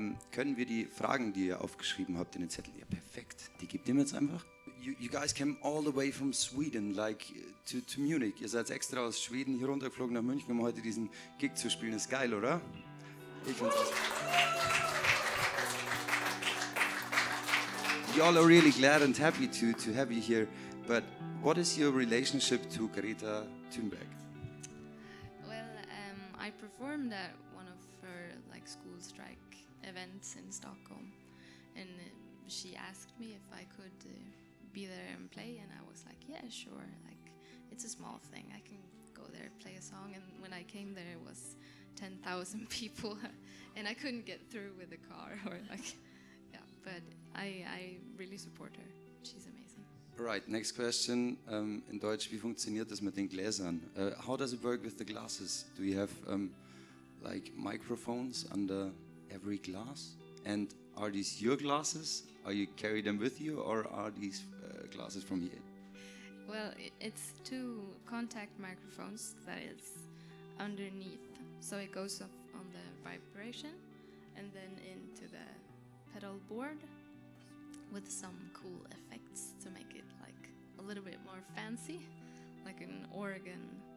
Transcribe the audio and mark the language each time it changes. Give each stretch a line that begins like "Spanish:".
German: Können wir die Fragen, die ihr aufgeschrieben habt, in den Zettel? Ja, perfekt. Die gebt ihr mir jetzt einfach.
English: You guys came all the way from Sweden, like to Munich.
German: Ihr seid extra aus Schweden hier runtergeflogen nach München, um heute diesen Gig zu spielen. Ist geil, oder? Ich find's auch.
English: Y'all are really glad and happy to have you here. But what is your relationship to Greta Thunberg? Well, I performed at one of her like school strike events in Stockholm, and she asked me if I could be there and play, and I was like, yeah, sure, like it's a small thing, I can go there, play a song. And when I came there, it was 10,000 people and I couldn't get through with a car or like yeah, but I really support her, she's amazing. Right, next question,
German: in Deutsch, wie funktioniert das mit den Gläsern?
English: How does it work with the glasses? Do you have like microphones under every glass? And are these your glasses? Are you carry them with you, or are these glasses from here? Well, it's two contact microphones that is underneath, so it goes up on the vibration and then into the pedal board with some cool effects to make it like a little bit more fancy, like an organ.